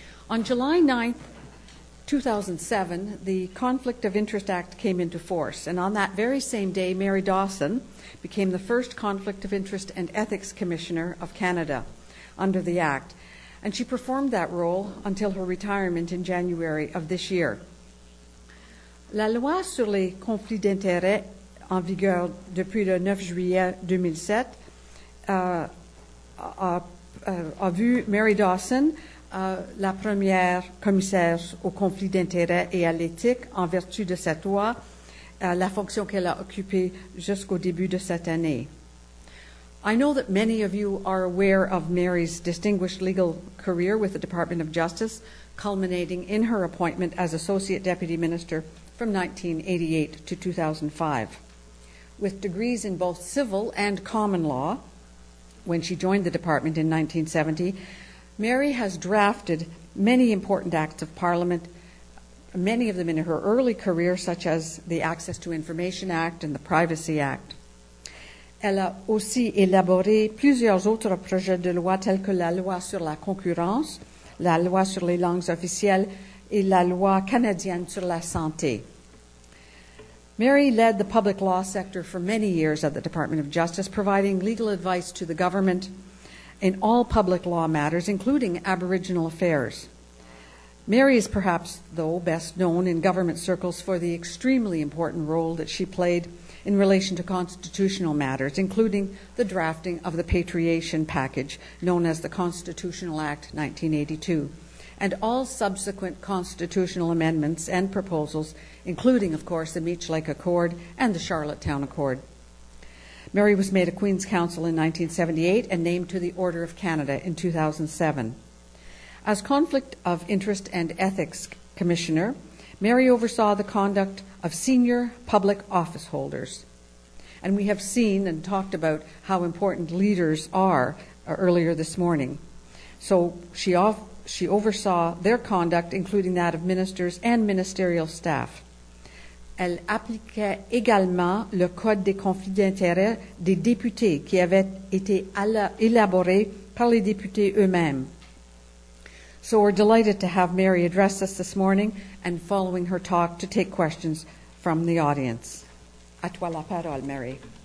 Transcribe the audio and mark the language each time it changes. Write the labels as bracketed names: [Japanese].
[English] On July 9th, 2007, the Conflict of Interest Act came into force, and on that very same day, Mary Dawson became the first Conflict of Interest and Ethics Commissioner of Canada under the Act, and she performed that role until her retirement in January of this year. [French] La loi sur les conflits d'intérêts en vigueur depuis le 9 juillet 2007 a vu Mary Dawson la première commissaire au conflit d'intérêts et à l'éthique en vertu de cette loi, la fonction qu'elle a occupée jusqu'au début de cette année. [English] I know that many of you are aware of Mary's distinguished legal career with the Department of Justice, culminating in her appointment as Associate Deputy Minister from 1988 to 2005. With degrees in both civil and common law, when she joined the department in 1970, Mary has drafted many important acts of Parliament, many of them in her early career, such as the Access to Information Act and the Privacy Act. [French] Elle a aussi élaboré plusieurs autres projets de loi, tels que la loi sur la concurrence, la loi sur les langues officielles et la loi canadienne sur la santé. [English] Mary led the public law sector for many years at the Department of Justice, providing legal advice to the government in all public law matters, including Aboriginal affairs. Mary is perhaps, though, best known in government circles for the extremely important role that she played in relation to constitutional matters, including the drafting of the Patriation Package, known as the Constitutional Act 1982, and all subsequent constitutional amendments and proposals, including, of course, the Meech Lake Accord and the Charlottetown Accord. Mary was made a Queen's Counsel in 1978 and named to the Order of Canada in 2007. As Conflict of Interest and Ethics Commissioner, Mary oversaw the conduct of senior public office holders. And we have seen and talked about how important leaders are earlier this morning. So she oversaw their conduct, including that of ministers and ministerial staff. [French] Elle appliquait également le code des conflits d'intérêts des députés qui avait été élaboré par les députés eux-mêmes. [English] So we're delighted to have Mary address us this morning and following her talk to take questions from the audience. [French] A toi la parole, Mary.